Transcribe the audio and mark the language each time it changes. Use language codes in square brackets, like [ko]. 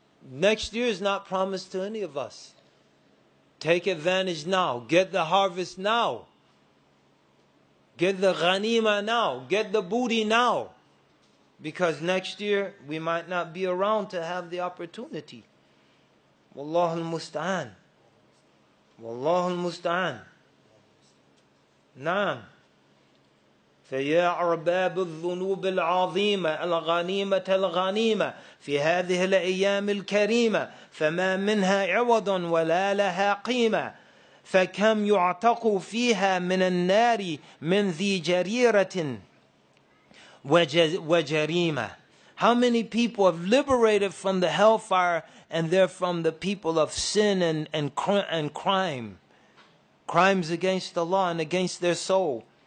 [en] Next year is not promised to any of us. Take advantage now. Get the harvest now. Get the ghanima now. Get the booty now. Because next year, we might not be around to have the opportunity. [ar] Wallahu al-musta'an. والله المستعان نعم فيا أرباب الذنوب العظيمة الغنيمة الغنيمة في هذه الأيام الكريمة فما منها عوض ولا لها قيمة فكم يعتق فيها من النار من ذي جريرة وجريمة. [en] How many people have liberated from the hellfire and they're from the people of sin and crime. Crimes against Allah and against their soul.